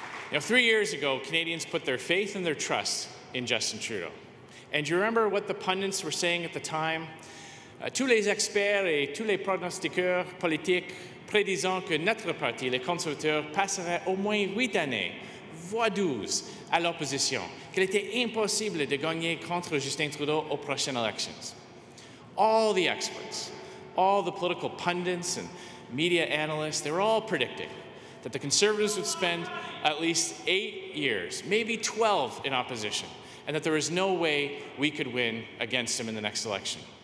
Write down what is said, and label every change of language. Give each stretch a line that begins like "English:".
English: You know, 3 years ago, Canadians put their faith and their trust in Justin Trudeau. And do you remember what the pundits were saying at the time?
French: Tous les experts et tous les pronostiqueurs politiques prédisant que notre parti, les conservateurs, passerait au moins 8 années, voire 12, à l'opposition, qu'il était impossible de gagner contre Justin Trudeau aux prochaines élections.
English: All the experts, all the political pundits and media analysts, they were all predicting that the Conservatives would spend at least 8 years, maybe 12, in opposition, and that there was no way we could win against him in the next election.